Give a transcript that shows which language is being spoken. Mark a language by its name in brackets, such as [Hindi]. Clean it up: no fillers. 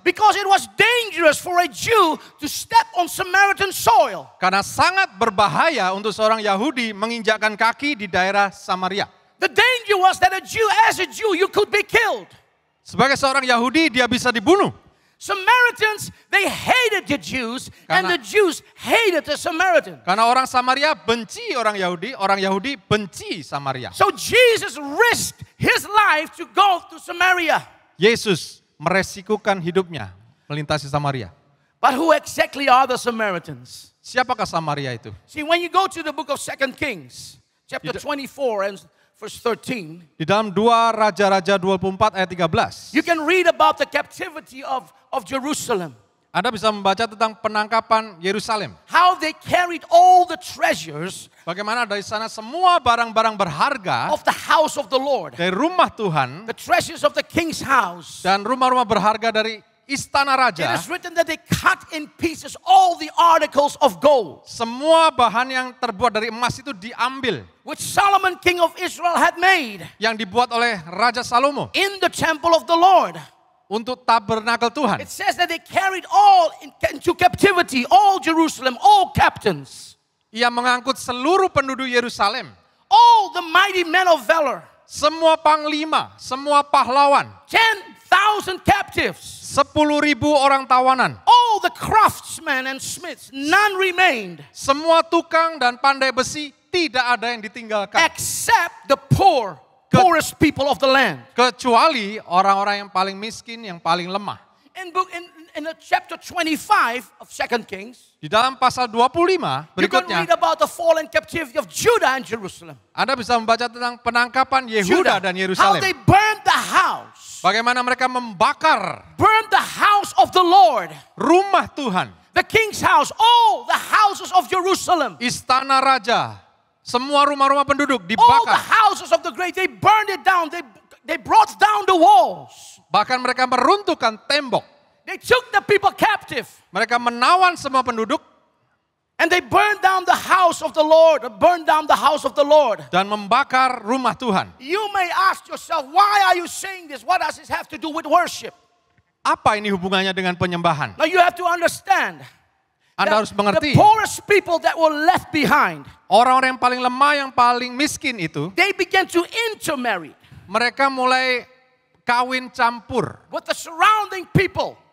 [English] Because it was dangerous for a Jew to step on Samaritan soil. [Indonesian] Karena sangat berbahaya untuk seorang Yahudi menginjakkan kaki di daerah Samaria. [English] The danger was that a Jew, as a Jew, you could be killed. [Indonesian] Sebagai seorang Yahudi, dia bisa dibunuh. [English] Samaritans, they hated the Jews, and the Jews hated the Samaritans. [Indonesian] Karena orang Samaria benci orang Yahudi benci Samaria. [English] So Jesus risked his life to go to Samaria. [Indonesian] Yesus meresikukan hidupnya melintasi Samaria. [English] But who exactly are the Samaritans? [Indonesian] Siapakah Samaria itu? [English] See, when you go to the book of 2 Kings, chapter 24 and verse 13. [Indonesian] Di dalam 2 Raja-Raja 24 ayat 13. [English] You can read about the captivity of Jerusalem. [Indonesian] Anda bisa membaca tentang penangkapan Yerusalem. [English] How they carried all the treasures. [Indonesian] Bagaimana dari sana semua barang-barang berharga. [English] Of the house of the Lord. [Indonesian] Dari rumah Tuhan. [English] The treasures of the king's house. [Indonesian] Dan rumah-rumah berharga dari istana raja. [English] It is written that they cut in pieces all the articles of gold. [Indonesian] Semua bahan yang terbuat dari emas itu diambil. [English] Which Solomon king of Israel had made. [Indonesian] Yang dibuat oleh Raja Salomo. [English] In the temple of the Lord. [Indonesian] Untuk tabernakel Tuhan. [English] It says that they carried all into captivity, all Jerusalem, all captains. [Indonesian] Ia mengangkut seluruh penduduk Yerusalem. [English] All the mighty men of valor. [Indonesian] Semua panglima, semua pahlawan. [English] 10,000 captives. [Indonesian] 10,000 orang tawanan. [English] All the craftsmen and smiths, none remained. [Indonesian] Semua tukang dan pandai besi, tidak ada yang ditinggalkan. [English] Except the poor. Poorest people of the land. [Indonesian] Kecuali orang-orang yang paling miskin, yang paling lemah. [English] In book, in, in chapter 25 of 2 Kings. [Indonesian] Di dalam pasal 25 berikutnya. [English] You can read about the fallen captivity of Judah and Jerusalem. [Indonesian] Anda bisa membaca tentang penangkapan Yehuda dan Yerusalem. [English] How they burned the house. [Indonesian] Bagaimana mereka membakar. [English] Burned the house of the Lord. [Indonesian] Rumah Tuhan. [English] The king's house, all the houses of Jerusalem. [Indonesian] Istana raja. Semua rumah-rumah penduduk dibakar. [English] All the houses of the great, they burned it down. They brought down the walls. [Indonesian] Bahkan mereka meruntuhkan tembok. [English] They took the people captive. [Indonesian] Mereka menawan semua penduduk. [English] And they burned down the house of the Lord. Burned down the house of the Lord. [Indonesian] Dan membakar rumah Tuhan. [English] You may ask yourself, why are you saying this? What does this have to do with worship? [Indonesian] Apa ini hubungannya dengan penyembahan? [English] Now you have to understand. [Indonesian] Anda harus mengerti. [English] The poorest people that were left behind. [Indonesian] Orang-orang yang paling lemah, yang paling miskin itu. [English] They began to intermarry. [Indonesian] Mereka mulai kawin campur [English] with the surrounding people,